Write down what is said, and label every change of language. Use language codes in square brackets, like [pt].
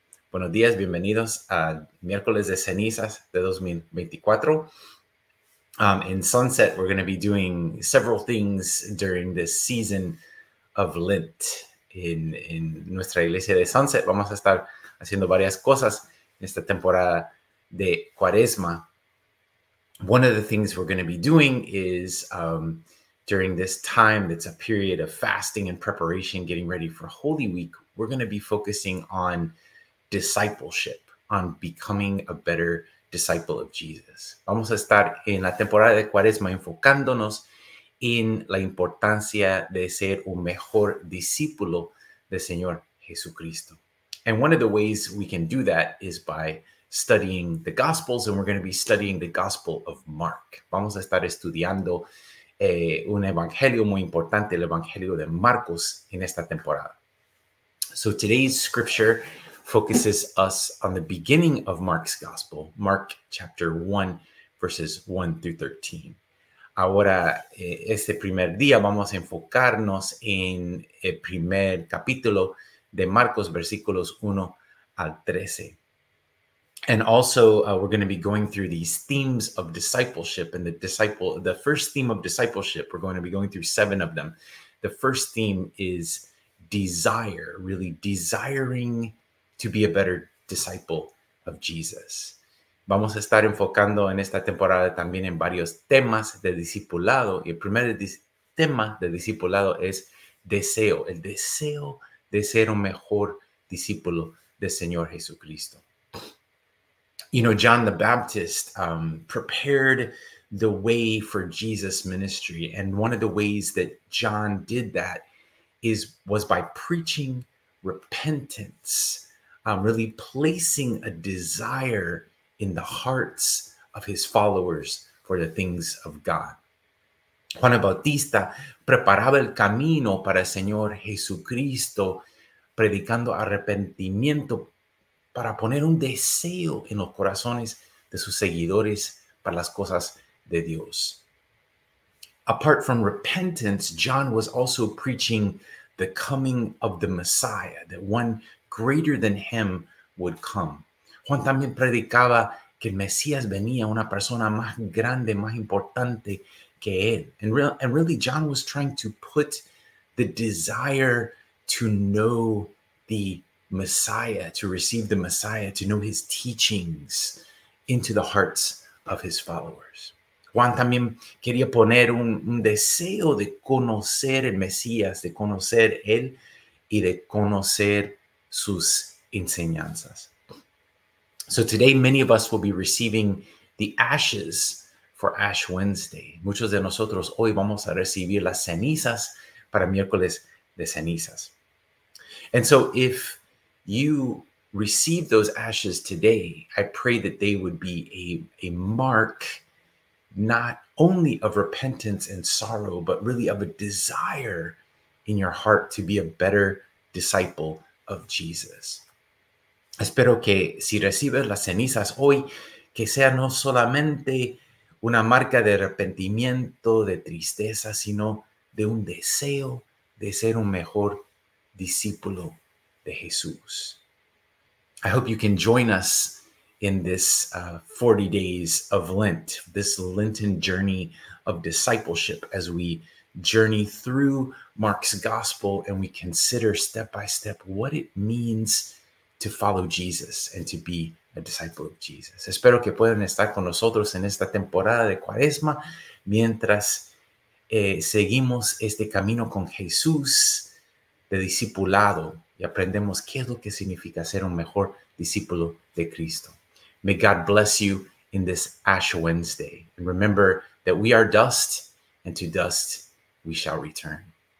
[es] Buenos días, bienvenidos a Miercoles de Cenizas de 2024. [en] In Sunset, we're going to be doing several things during this season of Lent. [es] In nuestra iglesia de Sunset, vamos a estar haciendo varias cosas en esta temporada de Cuaresma. [en] One of the things we're going to be doing is during this time, that's a period of fasting and preparation, getting ready for Holy Week, we're going to be focusing on discipleship, on becoming a better disciple of Jesus. [es] Vamos a estar en la temporada de Cuaresma enfocándonos en la importancia de ser un mejor discípulo del Señor Jesucristo. [en] And one of the ways we can do that is by studying the Gospels, and we're going to be studying the Gospel of Mark. [es] Vamos a estar estudiando un evangelio muy importante, el evangelio de Marcos, en esta temporada. [en] So today's scripture focuses us on the beginning of Mark's Gospel, Mark chapter 1, verses 1 through 13. [es] Ahora, este primer día vamos a enfocarnos en el primer capítulo de Marcos, versículos 1 al 13. [en] And also, we're going to be going through these themes of discipleship and the first theme of discipleship. We're going to be going through seven of them. The first theme is desire, really desiring to be a better disciple of Jesus. [es] Vamos a estar enfocando en esta temporada también en varios temas de discipulado. Y el primer tema de discipulado es deseo, el deseo de ser un mejor discípulo del Señor Jesucristo. [en] You know, John the Baptist prepared the way for Jesus' ministry. And one of the ways that John did that was by preaching repentance, really placing a desire in the hearts of his followers for the things of God. [es] Juan Bautista preparaba el camino para el Señor Jesucristo, predicando arrepentimiento para poner un deseo en los corazones de sus seguidores para las cosas de Dios. [en] Apart from repentance, John was also preaching the coming of the Messiah, that one greater than him would come. [es] Juan también predicaba que el Mesías venía, una persona más grande, más importante que él. [en] And really, John was trying to put the desire to know the Messiah, to receive the Messiah, to know his teachings into the hearts of his followers. [es] Juan también quería poner un deseo de conocer el Mesías, de conocer él y de conocer sus enseñanzas. [en] So today, many of us will be receiving the ashes for Ash Wednesday. [es] Muchos de nosotros hoy vamos a recibir las cenizas para miércoles de cenizas. [en] And so if you receive those ashes today, I pray that they would be a mark not only of repentance and sorrow, but really of a desire in your heart to be a better disciple of Jesus. [es] Espero que si recibes las cenizas hoy, que sea no solamente una marca de arrepentimiento, de tristeza, sino de un deseo de ser un mejor discípulo de Jesús. [en] I hope you can join us in this 40 days of Lent, this Lenten journey of discipleship, as we journey through Mark's gospel and we consider step by step what it means to follow Jesus and to be a disciple of Jesus. [es] Espero que puedan estar con nosotros en esta temporada de Cuaresma mientras seguimos este camino con Jesús de discipulado y aprendemos qué es lo que significa ser un mejor discípulo de Cristo. [en] May God bless you in this Ash Wednesday. And remember that we are dust, and to dust we shall return.